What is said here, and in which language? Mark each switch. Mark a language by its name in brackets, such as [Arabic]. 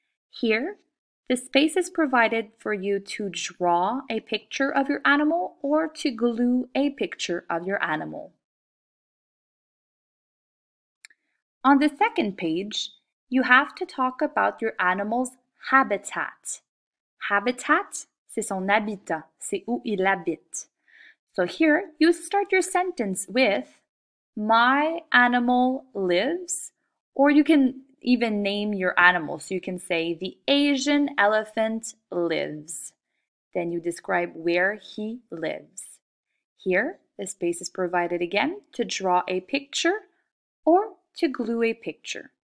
[English] Here, the space is provided for you to draw a picture of your animal or to glue a picture of your animal. On the second page, you have to talk about your animal's habitat. [French] Habitat, c'est son habitat, c'est où il habite. [English] So here, you start your sentence with, my animal lives, or you can even name your animal. So you can say, the Asian elephant lives. Then you describe where he lives. Here, the space is provided again to draw a picture or to glue a picture.